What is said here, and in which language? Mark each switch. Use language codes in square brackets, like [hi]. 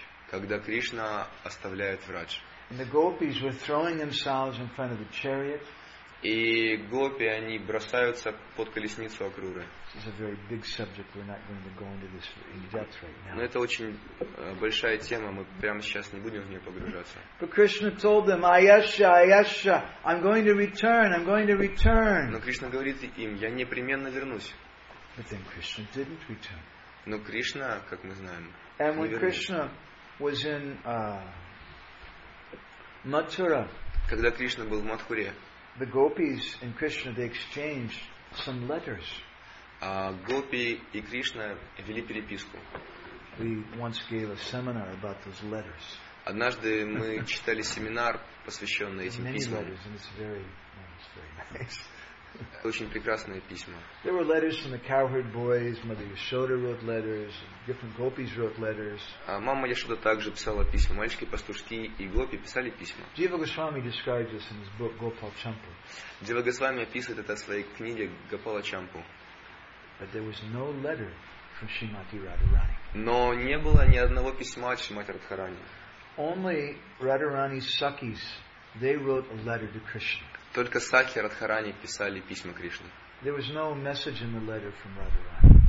[ru] Когда Кришна оставляет врач. [en] And the gopis were throwing themselves in front of the chariot. [ru] И гопи они бросаются под колесницу Акруры. [en] This is a very big subject. We're not going to go into this in depth right now. [ru] Но это очень большая тема. Мы прямо сейчас не будем в нее погружаться. [en] But Krishna told them, Ayasha, Ayasha, I'm going to return, I'm going to return. [ru] Но Кришна говорит им, я непременно вернусь. [en] But then Krishna didn't return. [ru] Но Кришна, как мы знаем, [en] and when Krishna was in Mathura, [ru] когда Кришна был в Матхуре, [en] the gopis and Krishna they exchanged some letters. [ru] Гопи и Кришна вели переписку. [en] We once gave a seminar about those letters. [ru] Однажды мы читали семинар, посвященный этим [en] many [ru] письмам. [en] Letters, and it's very, it's very nice. [ru] Очень прекрасные письма. [en] There were letters from the cowherd boys. Mother Yashoda wrote letters. Different gopis wrote letters. [ru] Мама Яшода также писала письма. Мальчики, пастушки и гопи писали письма. [en] Jiva Goswami describes this in his book Gopal Champu. [ru] Jiva Goswami описывает это в своей книге Гопала Чампу. [en] But there was no letter from Shrimati Radharani. [ru] Но не было ни одного письма от Шримати Радхарани. [en] Only Radharani's sakis, they wrote a letter to Krishna. [ru] Только Сакхи и Радхарани писали письма Кришне. [en] There was no message in the letter from Radharani.